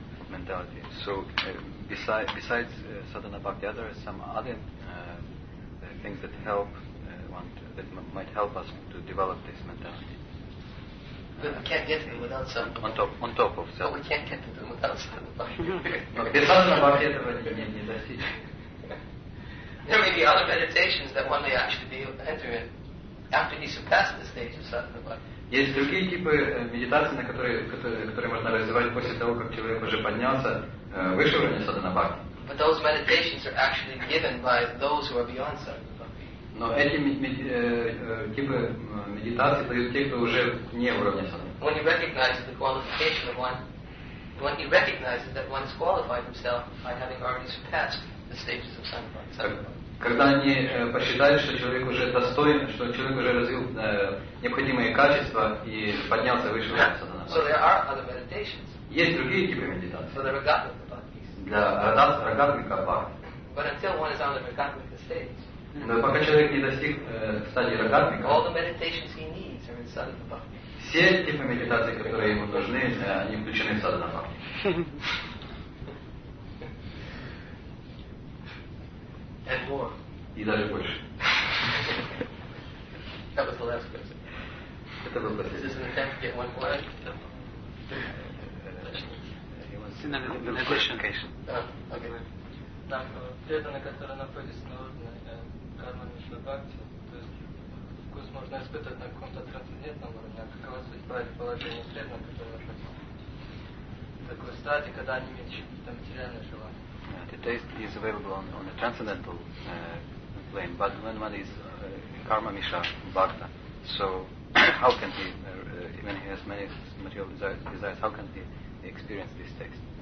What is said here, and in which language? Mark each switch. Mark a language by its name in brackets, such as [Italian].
[English] Besides sadhana bhakti, there are some other things that help might help us to develop this mentality. But we can't get to them without sadhana. On top of sadhana. But we can't get to them without sadhana bhakti. [Russian] Без sadhana bhakti этого не достичь. [English] There may be other meditations that one may actually be able to enter in after he surpasses the stage of sadhana bhakti. [Russian] Есть другие типы медитации, на которые можно развивать после того, как человек уже поднялся выше уровня садхана-бхакти. [English] But those meditations are actually given by those who are beyond садхана-бхакти. [Russian] Но эти типы медитации дают те, кто уже вне уровня садхана-бхакти. [English] When he recognizes the qualification of one, when he recognizes that one has qualified himself by having already surpassed the stages of садхана-бхакти. [Russian] Когда они посчитают, что человек уже достоин, что человек уже развил необходимые качества и поднялся выше садхана. [English] So there are other meditations. [Russian] Есть другие типы медитации. [English] So there are рагатмика бхактис. [Russian] Для рагатмика бхакти. [English] But until one is on the рагатмика stage. [Russian] Но пока человек не достиг стадии рагатмика. [English] All the meditations he needs are in садхана бхакти. [Russian] Все типы медитации, которые ему нужны, они включены в садхана бхакти. [English] And more. [Russian] И даже больше. [English] That was the last question. [Russian] Это был последний. [English] This is an attempt to get one more. Question. It was another question. Okay. [Russian] Так, преданно, которое находится на уровне карма Мишла Бхакти, то есть вкус можно испытывать на каком-то трансцендентном уровне, а какова судьба или положение преданного, которое находится в такой стадии, когда они имеют материальное желание? [English] The taste is available on a transcendental plane, but when one is karma misha bhakta, so how can he, even he has many material desires, how can he experience this taste?